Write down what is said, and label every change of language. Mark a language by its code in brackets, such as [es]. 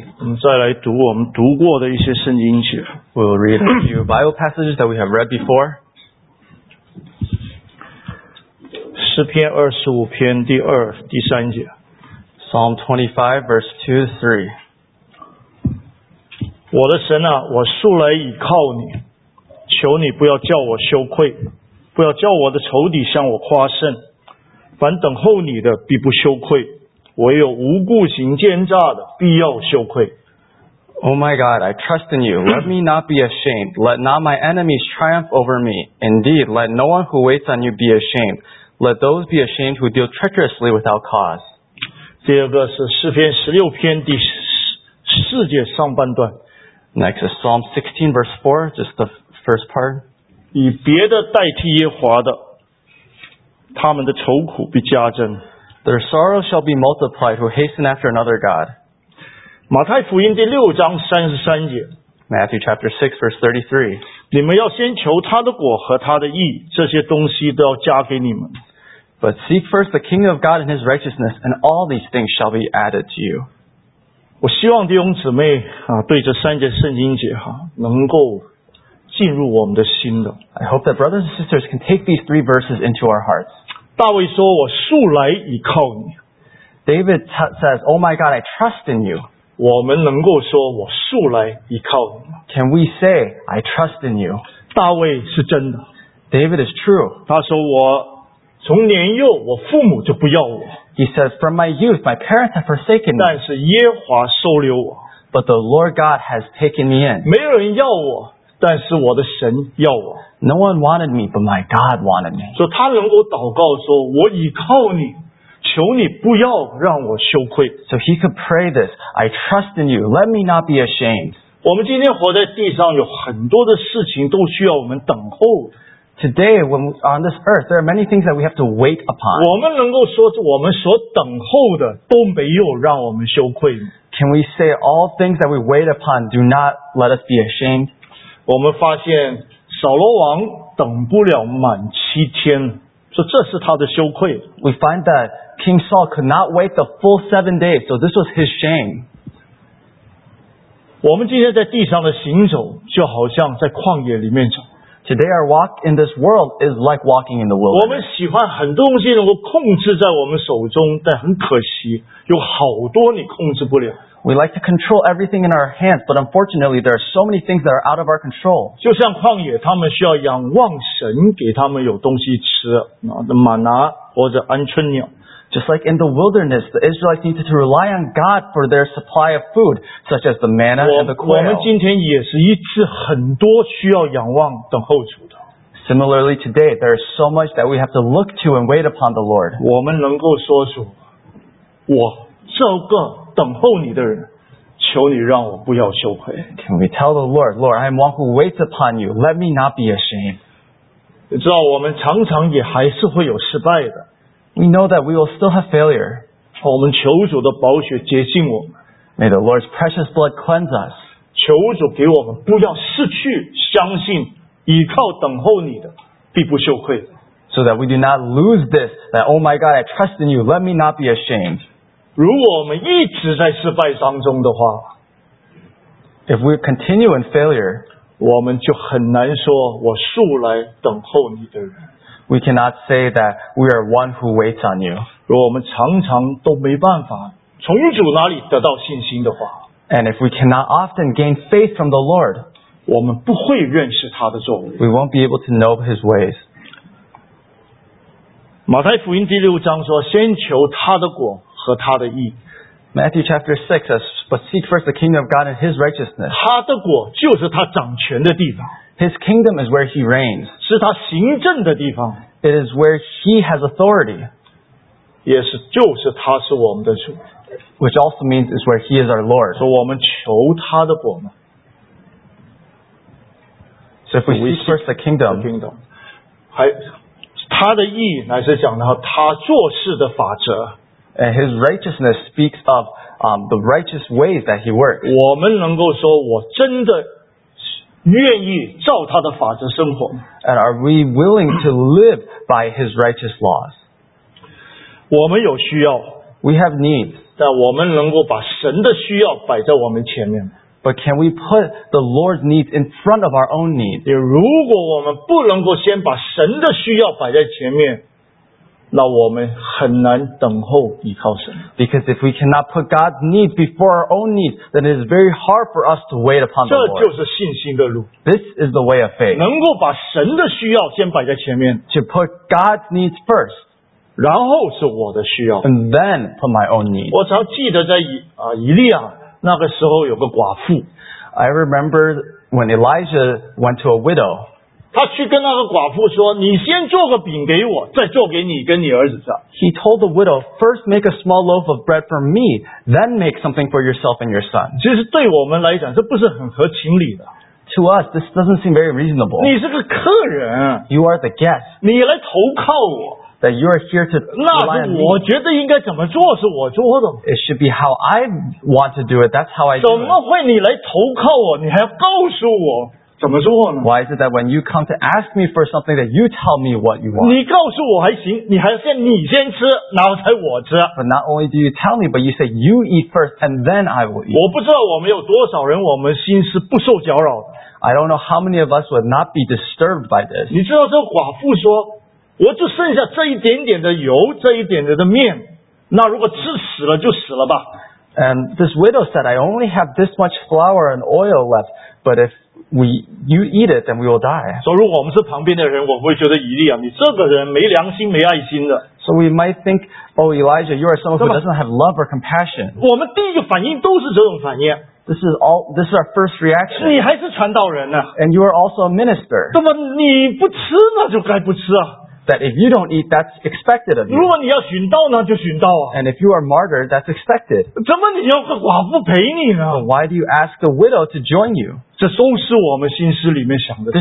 [zh] 我们再来读我们读过的一些圣经节。 [en] We'll read a few Bible passages that we have read before. [zh] 诗篇二十五篇第二第三节。 [en] Psalm 25 verse 2-3. [zh] 我的神啊，我素来倚靠你，求你不要叫我羞愧，不要叫我的仇敌向我夸胜。凡等候你的必不羞愧，唯有无故行奸诈的必要羞愧。 [en] Oh my God, I trust in you. Let me not be ashamed. Let not my enemies triumph over me. Indeed, let no one who waits on you be ashamed. Let those be ashamed who deal treacherously without cause. [zh] 第二个是诗篇十六篇第四节上半段。 [en] Next is Psalm 16 verse 4, just the first part. [zh] 以别的代替耶华的，他们的愁苦必加增。 [en] Their sorrow shall be multiplied who hasten after another God. [zh] 马太福音第六章三十三节。 [en] Matthew chapter 6 verse 33. [zh] 你们要先求他的果和他的义，这些东西都要加给你们。 [en] But seek first the kingdom of God and his righteousness, and all these things shall be added to you. [zh] 我希望弟兄姊妹啊，对这三节圣经节哈，能够进入我们的心的。 [en] I hope that brothers and sisters can take these three verses into our hearts. [zh] 大卫说我素来倚靠你。 [en] David says, Oh my God, I trust in you. [zh] 我们能够说我素来倚靠你。 [en] Can we say, I trust in you? [zh] 大卫是真的。 [en] David is true. [zh] 他说我从年幼我父母就不要我。 [en] He says, From my youth, my parents have forsaken me. [zh] 但是耶和华收留我。 [en] But the Lord God has taken me in. [zh] 没人要我。但是我的神要我。 [en] No one wanted me, but my God wanted me. [zh] 所以他能够祷告说，我倚靠你，求你不要让我羞愧。 [en] So he could pray this, I trust in you, let me not be ashamed. [zh] 我们今天活在地上，有很多的事情都需要我们等候。 [en] Today, when we're on this earth, there are many things that we have to wait upon. [zh] 我们能够说，我们所等候的都没有让我们羞愧。 [en] Can we say all things that we wait upon do not let us be ashamed? [zh] 我们发现扫罗王等不了满七天，说这是他的羞愧。 [en] We find that King Saul could not wait the full 7 days, so this was his shame. [zh] 我们今天在地上的行走，就好像在旷野里面走。 [en] Today our walk in this world is like walking in the wilderness. [zh] 我们喜欢很多东西能够控制在我们手中，但很可惜，有好多你控制不了。 [en] We like to control everything in our hands, but unfortunately, there are so many things that are out of our control. [zh] 就像旷野，他们需要仰望神给他们有东西吃，玛拿或者鹌鹑鸟。 [en] Just like in the wilderness, the Israelites needed to rely on God for their supply of food, such as the manna and the quail. [zh] 我们今天也是一次很多需要仰望等候主的。 [en] Similarly, today there is so much that we have to look to and wait upon the Lord. [zh] 我们能够说主，我这个。等候你的人，求你让我不要羞愧。 [en] Can we tell the Lord, Lord, I am one who waits upon you. Let me not be ashamed. [zh] 你知道我们常常也还是会有失败的。 [en] We know that we will still have failure. [zh] 我们求主的宝血洁净我们。 [en] May the Lord's precious blood cleanse us. [zh] 求主给我们不要失去相信，依靠等候你的，必不羞愧。 [en] So that we do not lose this, that, oh my God, I trust in you. Let me not be ashamed. [zh] 如果我们一直在失败当中的话 [en] If we continue in failure [zh] 我们就很难说我素来等候你的人 [en] We cannot say that we are one who waits on you [zh] 如果我们常常都没办法从主那里得到信心的话 [en] And if we cannot often gain faith from the Lord [zh] 我们不会认识他的作为 [en] We won't be able to know his ways [zh] 马太福音第六章说先求他的果和他的义 [en] Matthew chapter 6 says, But seek first the kingdom of God and his righteousness. [zh] 他的国就是他掌权的地方。 [en] His kingdom is where he reigns. [zh] 是他行政的地方。 [en] It is where he has authority. [zh] 也是就是他是我们的主。 [en] Which also means is where he is our Lord. [zh] 所以我们求他的国嘛。 [en] So if we seek first the kingdom. [zh] 还他的义乃是讲到他做事的法则。 [en] And his righteousness speaks of the righteous ways that he works. [zh] 我们能够说我真的愿意照他的法则生活。 [en] And are we willing to live by his righteous laws? [zh] 我们有需要。 [en] We have needs. [zh] 但我们能够把神的需要摆在我们前面。 [en] But can we put the Lord's needs in front of our own needs? [zh] 也如果我们不能够先把神的需要摆在前面，那我们很难等候依靠神。 [en] Because if we cannot put God's needs before our own needs, then it is very hard for us to wait upon the Lord. [zh] 这就是信心的路。 [en] This is the way of faith. [zh] 能够把神的需要先摆在前面。 [en] To put God's needs first. [zh] 然后是我的需要。 [en] And then put my own needs. [zh] 我常记得在以利亚那个时候有个寡妇。 [en] I remember when Elijah went to a widow. [zh] 他去跟那个寡妇说你先做个饼给我再做给你跟你儿子吃。 [en] He told the widow, first make a small loaf of bread for me, then make something for yourself and your son. [zh] 其实对我们来讲这不是很合情理的。 [en] To us, this doesn't seem very reasonable. [zh] 你是个客人。 [en] You are the guest. [zh] 你来投靠我。 [en] That you are here to rely on me. [zh] 那我觉得应该怎么做是我做的。 [en] It should be how I want to do it, that's how I do it. [zh] 怎么会你来投靠我你还要告诉我怎么做呢? [en] Why is it that when you come to ask me for something that you tell me what you want? [zh] 你告诉我还行你还先你先吃然后才我吃。 [en] But not only do you tell me, but you say you eat first and then I will eat. [zh] 我不知道我们有多少人我们心是不受搅扰的。 [en] I don't know how many of us would not be disturbed by this. [zh] 你知道这寡妇说我就剩下这一点点的油这一点点的面那如果吃死了就死了吧。 [en] And this widow said, I only have this much flour and oil left, but if you eat it, then we will die. So, [zh] 如果我们是旁边的人，我会觉得以利亚，你这个人没良心、没爱心的。 [en] So we might think, oh Elijah, you are someone who doesn't have love or compassion. [zh] 我们第一个反应都是这种反应。 [en] This is our first reaction. [zh] 你还是传道人呢。 [en] And you are also a minister. [zh] 那么你不吃那就该不吃啊。 [en] That if you don't eat, that's expected of you. [zh] 如果你要寻道呢，就寻道啊。 [en] And if you are martyred, that's expected. [zh] 怎么你要个寡妇陪你呢？ [en] So why do you ask a widow to join you? [zh] 这都是我们心思里面想的事。